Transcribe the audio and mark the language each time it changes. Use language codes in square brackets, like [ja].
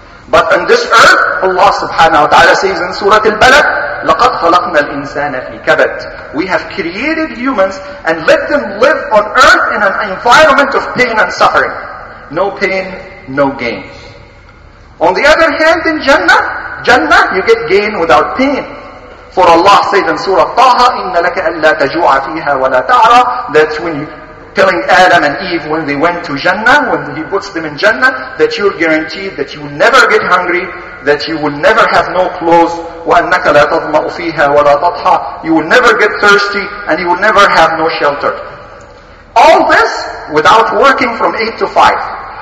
[en] But on this earth, Allah subhanahu wa ta'ala says in Surah Al-Balaq, [ar] لَقَدْ خَلَقْنَا الْإِنسَانَ فِي كَبَدٍ. [en] We have created humans and let them live on earth in an environment of pain and suffering. No pain, no gain. On the other hand, in Jannah, you get gain without pain. For Allah said in Surah Taha, [ar] إِنَّ لَكَ أَلَّا تَجُوعَ فِيهَا وَلَا تَعْرَى. [en] That's when you, telling Adam and Eve when they went to Jannah, when He puts them in Jannah, that you're guaranteed that you will never get hungry, that you will never have no clothes, [ar] وَأَنَّكَ لَا تَضْمَأُ فِيهَا وَلَا تَضْحَى. [en] You will never get thirsty, and you will never have no shelter. All this without working from 8 to 5.